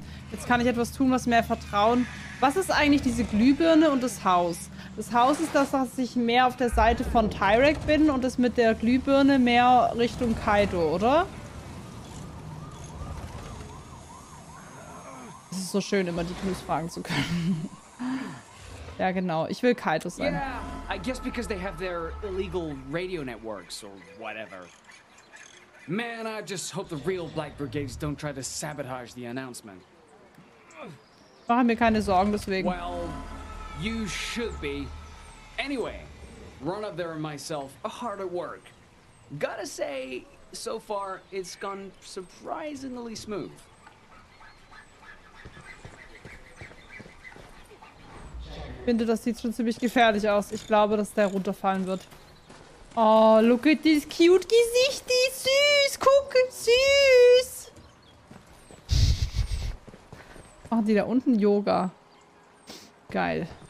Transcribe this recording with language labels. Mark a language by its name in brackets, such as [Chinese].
[German] Jetzt kann ich etwas tun, was mehr Vertrauen. Was ist eigentlich diese Glühbirne und das Haus? Das Haus ist das, dass ich mehr auf der Seite von Tyrek bin und es mit der Glühbirne mehr Richtung Kaido, oder? Es ist so schön, immer die Clues fragen zu können. Ja, genau. Ich will Kaido sein. [English] Yeah, I guess because they have their illegal radio networks or whatever. Man, I just hope the real Black Brigades don't try to sabotage the announcement. [German] Machen wir keine Sorgen deswegen. [English] Well, you should be. Anyway, run up there and myself are hard at work. Gotta say, so far, it's gone surprisingly smooth. [German] Ich finde, das sieht schon ziemlich gefährlich aus. Ich glaube, dass der runterfallen wird. [English] Oh, look at this cute [German] Gesicht, die ist süß, guck, süß. Machen die da unten Yoga. Geil.